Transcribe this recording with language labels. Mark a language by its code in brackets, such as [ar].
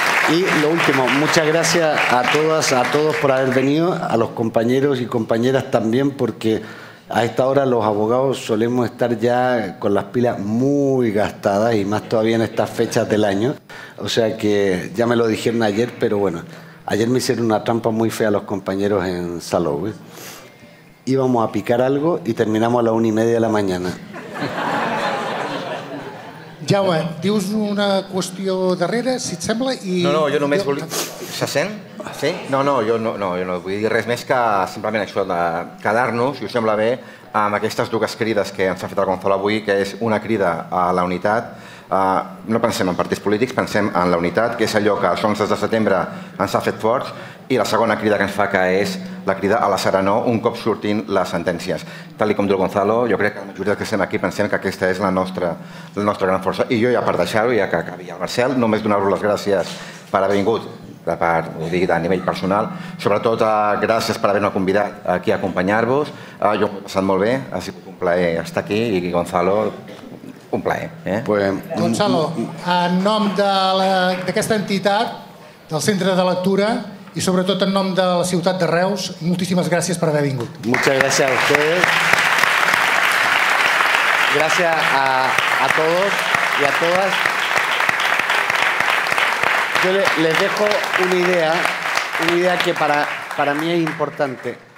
[es] Y lo último, muchas gracias a todas, a todos por haber venido, a los compañeros y compañeras también, porque a esta hora los abogados solemos estar ya con las pilas muy gastadas y más todavía en estas fechas del año. O sea que ya me lo dijeron ayer, pero bueno, ayer me hicieron una trampa muy fea los compañeros en Salou. Íbamos a picar algo y terminamos a la 1:30 de la mañana. [ca] Jaume, dius una qüestió darrere, si et sembla, i... No, jo només volia... Se sent? Sí? No, jo no vull dir res més que simplement això de quedar-nos, si us sembla bé, amb aquestes dues crides que ens ha fet el Gonzalo avui, que és una crida a la unitat. No pensem en partits polítics, pensem en la unitat, que és allò que els 11 de setembre ens ha fet forts, i la segona crida que ens fa, que és la crida a la serenor, un cop surtin les sentències. Tal com diu Gonzalo, jo crec que la majoria que estem aquí pensem que aquesta és la nostra gran força. I jo, ja per deixar-ho, ja que acabi el Marcel, només donar-vos les gràcies per haver vingut, de part, ho dic, a nivell personal. Sobretot, gràcies per haver-me convidat aquí a acompanyar-vos. Jo m'ho he passat molt bé, ha sigut un plaer estar aquí, i Gonzalo, un plaer. Gonzalo, en nom d'aquesta entitat, del Centre de Lectura, i sobretot en nom de la ciutat de Reus, moltíssimes gràcies per haver vingut. [es] Muchas gracias a ustedes. Gracias a todos y a todas. Yo les dejo una idea que para mí es importante.